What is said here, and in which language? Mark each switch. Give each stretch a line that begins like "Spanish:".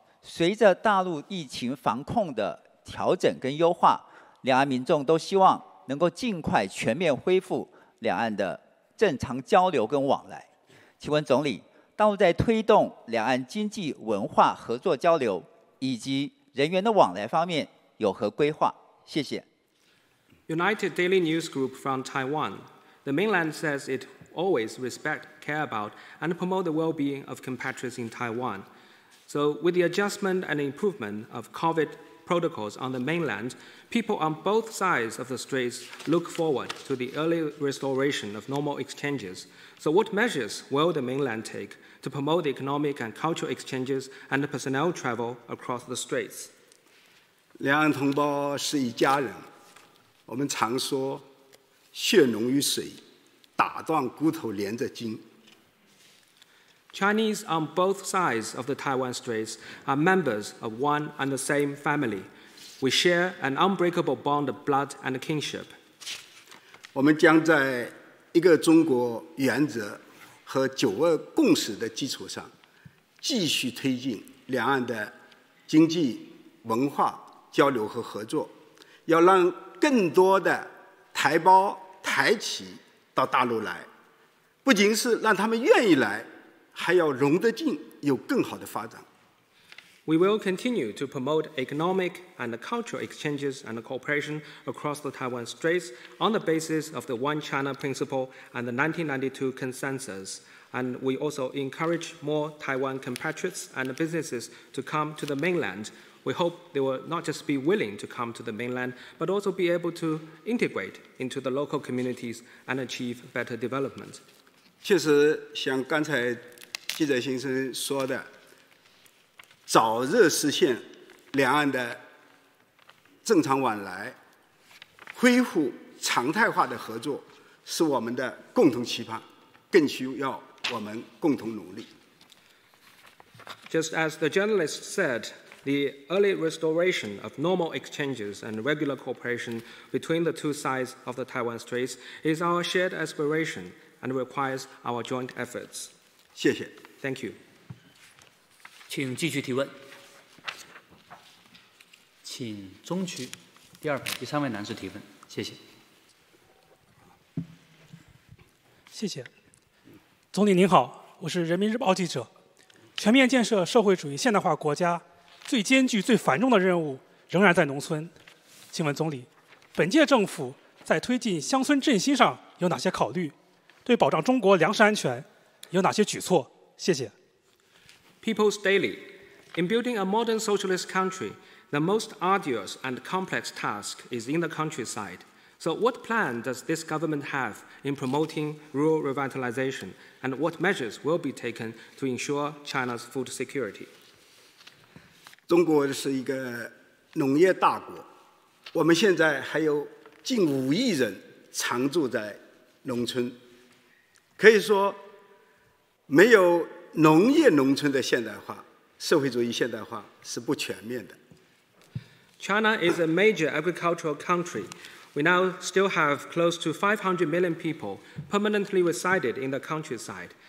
Chinese: 随着大陆疫情防控的调整跟优化，两岸民众都希望能够尽快全面恢复两岸的正常交流跟往来。请问总理，大陆在推动两岸经济文化合作交流以及人员的往来方面有何规划？谢谢。
English: United Daily News Group from Taiwan. The mainland says it always respect, care about, and promote the well-being of compatriots in Taiwan. So with the adjustment and improvement of COVID protocols on the mainland, people on both sides of the straits look forward to the early restoration of normal exchanges. So what measures will the mainland take to promote the economic and cultural exchanges and the personnel travel across the straits?
Chinese: 两岸同胞是一家人，我们常说血浓于水，打断骨头连着筋。
English: Chinese on both sides of the Taiwan Straits are members of one and the same family. We share an unbreakable bond of blood and kinship.
Chinese: 我们将在一个中国原则和九二共识的基础上，继续推进两岸的经济、文化交流和合作，要让更多的台胞、台企到大陆来，不仅是让他们愿意来，还要融得进，有更好的发展。
English: We will continue to promote economic and cultural exchanges and cooperation across the Taiwan Straits on the basis of the One China Principle and the 1992 Consensus. And we also encourage more Taiwan compatriots and businesses to come to the mainland. We hope they will not just be willing to come to the mainland, but also be able to integrate into the local communities and achieve better development.
Chinese: 确实，像刚才记者先生说的，早日实现两岸的正常往来，恢复常态化的合作，是我们的共同期盼，更需要我们共同努力。
English: Just as the journalist said, the early restoration of normal exchanges and regular cooperation between the two sides of the Taiwan Straits is our shared aspiration and requires our joint efforts.
Chinese: 谢谢。
English: Thank you.
Chinese: 请继续提问。请中区第二排第三位男士提问，谢谢。谢谢。总理您好，我是人民日报记者。全面建设社会主义现代化国家最艰巨最繁重的任务仍然在农村。请问总理，本届政府在推进乡村振兴上有哪些考虑？对保障中国粮食安全有哪些举措？谢谢。
English: People's Daily. In building a modern socialist country, the most arduous and complex task is in the countryside. So what plan does this government have in promoting rural revitalization, and what measures will be taken to ensure China's food security?
Chinese: 中国是一个农业大国，我们现在还有近5亿人常住在农村，可以说没有农业农村的现代化，社会主义现代化是不全面的。
English: China is a major agricultural country. We now still have close to 500 million people permanently resided in the countryside.